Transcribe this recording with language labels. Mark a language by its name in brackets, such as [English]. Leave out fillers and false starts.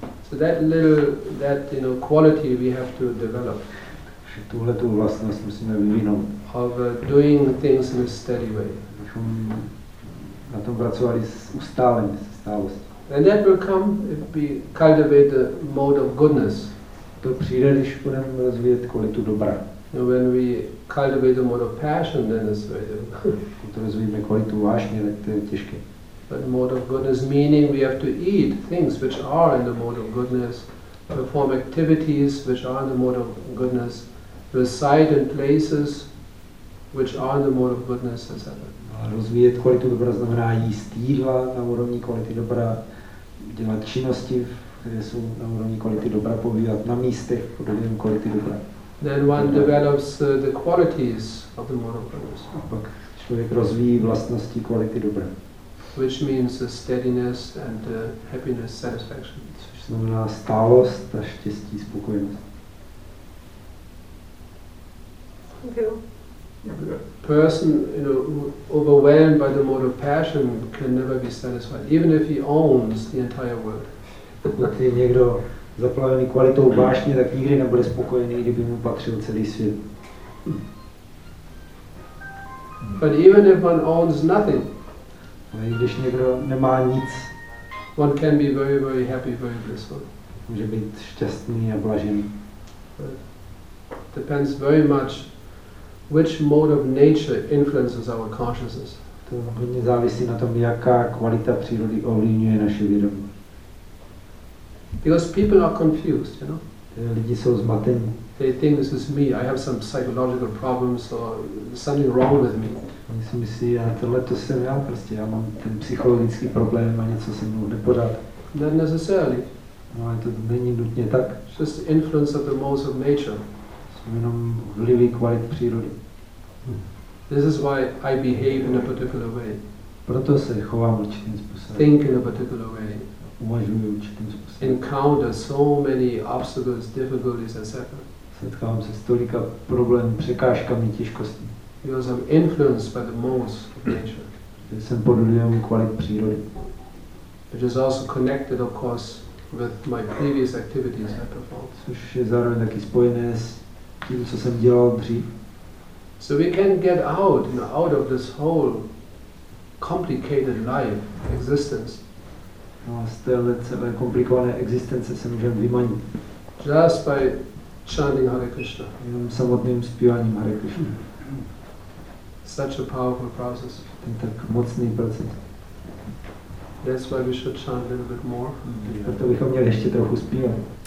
[English] So that quality we have to develop. [Czech] Tuhle tu vlastnost musíme vyvinout. [English] Of doing things in a steady way. [Czech] Na tom pracovali s ustálení, se stálostí. [English] And that will come if we cultivate the mode of goodness. [Czech] To přijde, když budeme rozvíjet kvalitu dobra. [English] When we cultivate the mode of passion, then it's very difficult. [Czech] To rozvíjeme kvalitu vášně, tak to je těžké. [English] But mode of goodness meaning we have to eat things which are in the mode of goodness, perform activities which are in the mode of goodness, reside in places which are in the mode of goodness, etc. [Czech] Rozvíjet kvalitu dobra znamená jíst jídla na úrovni kvality dobra, dělat činnosti, které jsou na úrovni kvality dobra, pobývat na místech pod vlivem kvality dobra. [English] Then one develops the qualities of the mode of goodness. [Czech] A pak člověk rozvíjí vlastnosti kvality dobra. [English] Which means the steadiness and the happiness, satisfaction. [Czech] Což znamená stálost a štěstí, spokojenost. [English] A person, you know, overwhelmed by the mode of passion can never be satisfied, even if he owns the entire world. [Czech] Pokud je někdo zaplavený kvalitou vášně, tak nikdy nebude spokojený, kdyby mu patřil celý svět. [English] But even if one owns nothing, [Czech] ale i když někdo nemá nic, [English] one can be very, very happy, very blissful. [Czech] Může být šťastný a blažený. [English] Depends very much which mode of nature influences our consciousness. [Czech] To hodně závisí na tom, jaká kvalita přírody ovlivňuje naše vědomí. [English] Because people are confused, you know. [Czech] Lidi jsou zmatení. [English] They think this is me. I have some psychological problems or something wrong with me. [Czech] Oni si myslí, a tohle to jsem já, prostě já mám ten psychologický problém a něco se mnou nepořád. [English] Not necessarily. [Czech] No, ale to není nutně tak. [English] Just the influence of the modes of nature. [Czech] Jsou jenom vlivy kvalit přírody. [English] This is why I behave in a particular way. [Czech] Proto se chovám určitým způsobem. [English] Think in a particular way. [Czech] Uvažuji určitým způsobem. [English] Encounter so many obstacles, difficulties, etc. [Czech] Setkávám se s tolika problémy, překážkami, těžkostmi. [English] Because I'm influenced by the modes of nature. [Czech] Jsem pod vlivem kvalit přírody. [English] Which is also connected, of course, with my previous activities I performed. [Czech] Což je zároveň taky spojené s tím, co jsem dělal dřív. [English] So we can get out, you know, out of this whole complicated life, existence. [Czech] No, z téhle celé komplikované existence se můžeme vymanit. [English] Just by chanting Hare Krishna. [Czech] Jenom samotným zpíváním Hare Krishna. [English] Such a powerful process. [Czech] Ten tak mocný proces. [English] That's why we should chant a little bit more. [Czech] Proto bychom měli ještě trochu zpívat.